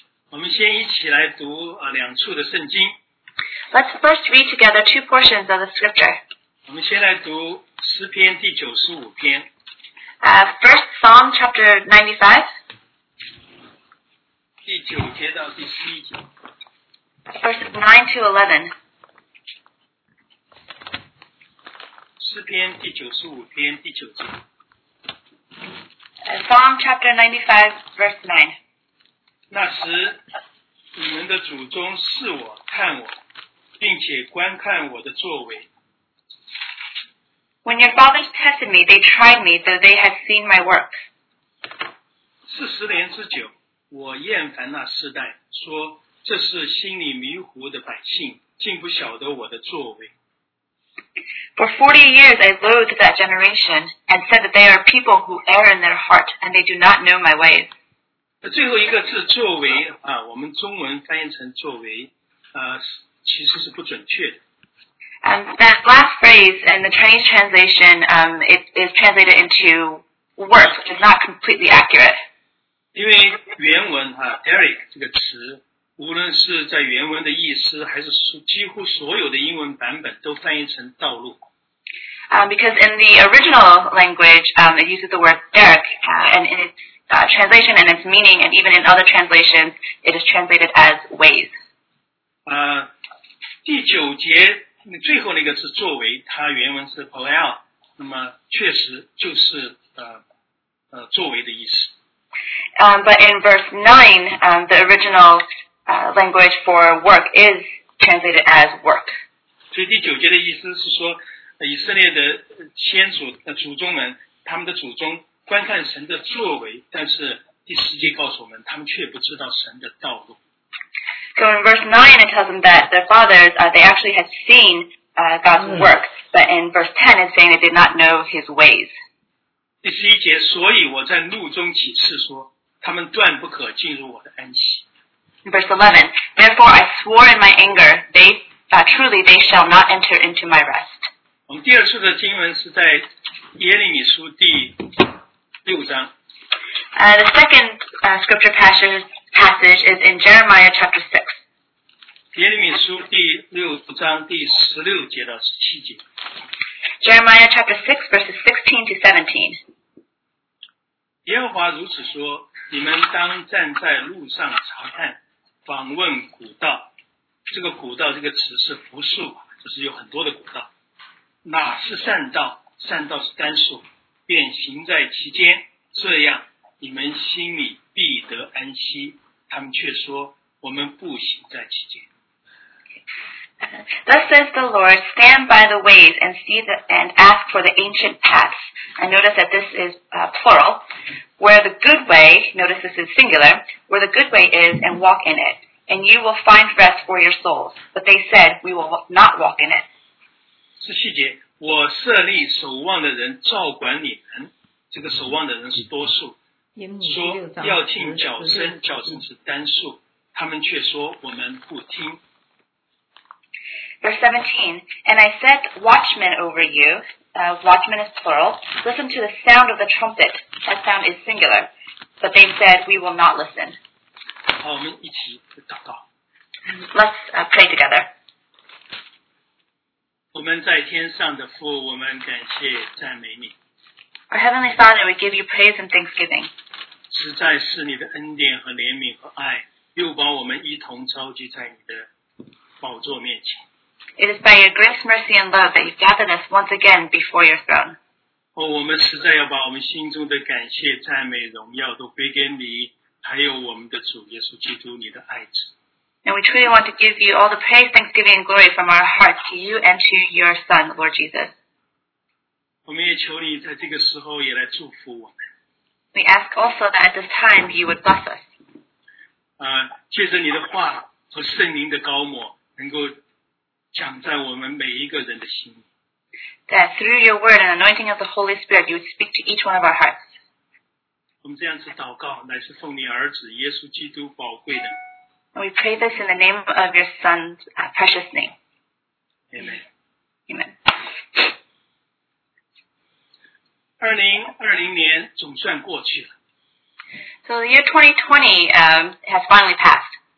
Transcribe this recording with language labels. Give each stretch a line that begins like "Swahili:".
Chinese: 我们先一起来读两处的圣经。
English: Let's first read together two portions of the scripture.
Chinese: 我们先来读诗篇第九十五篇。
English: First Psalm chapter 95.
Chinese: 第九节到第十一节。
English: Verses 9 to 11.
Chinese: 诗篇第九十五篇第九节。
English: Psalm chapter 95, verse 9.
Chinese: 那时，你们的祖宗视我、看我，并且观看我的作为。
English: When your fathers tested me, they tried me, though they had seen my works.
Chinese: 四十年之久，我厌烦那世代，说这是心里迷糊的百姓，竟不晓得我的作为。
English: For 40 years I loathed that generation and said that they are people who err in their heart and they do not know my ways.
Chinese: 最后一个字作为啊，我们中文翻译成作为其实是不准确的。
English: That last phrase in the Chinese translation it is translated into work, which is not completely accurate.
Chinese: 因为原文Eric 这个词无论是在原文的意思还是几乎所有的英文版本都翻译成道路。
English: Because in the original language, it uses the word derek, and in its translation and its meaning, and even in other translations, it is translated as ways.
Chinese: 第九节最后那个是作为，它原文是 poel, 那么确实就是作为的意思。
English: But in verse 9, the original language for work is translated as work.
Chinese: 所以第九节的意思是说，以色列的先祖祖宗们，他们的祖宗观看神的作为，但是第十节告诉我们，他们却不知道神的道路。
English: So in verse 9, it tells them that their fathers, they actually had seen God's work, but in verse 10, it's saying they did not know His ways.
Chinese: 第十一节，所以我在怒中起誓说，他们断不可进入我的安息。
English: Verse 11, therefore I swore in my anger, truly they shall not enter into my rest.
Chinese: 我们第二处的经文是在耶利米书第六章。
English: The second scripture passage is in Jeremiah chapter 6.
Chinese: 耶利米书第六章第十六节到十七节。
English: Jeremiah chapter 6, verses 16 to 17.
Chinese: 耶和华如此说，你们当站在路上查看。访问古道，这个古道这个词是复数，就是有很多的古道。哪是善道？善道是单数，便行在其间，这样你们心里必得安息。他们却说，我们不行在其间。
English: Thus says the Lord, stand by the ways and see the, and ask for the ancient paths. And notice that this is plural. Where the good way, notice this is singular, where the good way is and walk in it. And you will find rest for your souls. But they said, we will not walk in it.
Chinese: 是细节，我设立守望的人照管你们，这个守望的人是多数，说要听脚声，脚声是单数，他们却说我们不听。
English: Verse 17, and I set watchmen over you, watchmen is plural, listen to the sound of the trumpet, that sound is singular, but they said, we will not listen.
Chinese: 好，我们一起祷告。
English: Let's pray together.
Chinese: 我们在天上的父，我们感谢赞美你。
English: Our Heavenly Father, we give you praise and thanksgiving.
Chinese: 实在是你的恩典和怜悯和爱，又把我们一同召集在你的宝座面前。
English: It is by your grace, mercy, and love that you've gathered us once again before your throne.
Chinese: Oh, 我们实在要把我们心中的感谢、赞美、荣耀都归给你，还有我们的主耶稣基督，你的爱子。
English: And we truly want to give you all the praise, thanksgiving, and glory from our hearts to you and to your Son, Lord Jesus.
Chinese: 我们也求你在这个时候也来祝福我们。
English: We ask also that at this time you would bless us.
Chinese: 借着你的话和圣灵的膏抹，能够讲在我们每一个人的心。
English: That through your word and anointing of the Holy Spirit, you would speak to each one of our hearts.
Chinese: 我们这样子祷告，乃是奉你儿子耶稣基督宝贵的。
English: And we pray this in the name of your Son's precious name. Amen. Amen.
Chinese: 2020年总算过去了。
English: So the year 2020, has finally passed.